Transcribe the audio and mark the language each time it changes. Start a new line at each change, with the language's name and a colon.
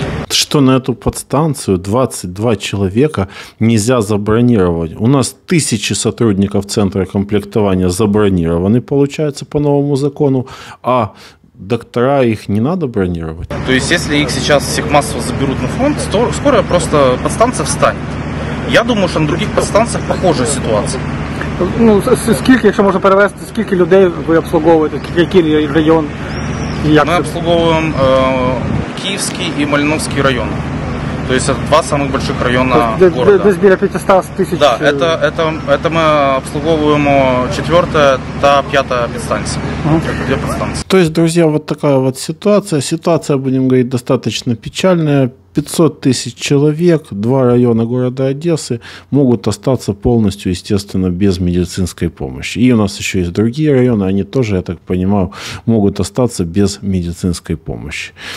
Russian: Что на эту подстанцию 22 человека нельзя забронировать? У нас тысячи сотрудников центра комплектования забронированы, получается, по новому закону, а доктора их не надо бронировать? То есть, если их сейчас всех массово заберут на фронт, то скоро просто подстанция встанет.
Ukrainian: Я думаю, що на других підстанціях похожа ситуація. Ну, скільки, якщо можна перевести, скільки людей ви обслуговуєте, який регіон? Як ми обслуговуємо Київський і Малиновський райони. Тобто два найбільших райони міста. Десь біля 500 тисяч. Так, це ми обслуговуємо 4-та та 5-та підстанція.
Russian: То есть, друзья, вот такая вот ситуация. Ситуация, будем говорить, достаточно печальная. 500 тысяч человек, два района города Одессы могут остаться полностью, естественно, без медицинской помощи. И у нас еще есть другие районы, они тоже, я так понимаю, могут остаться без медицинской помощи.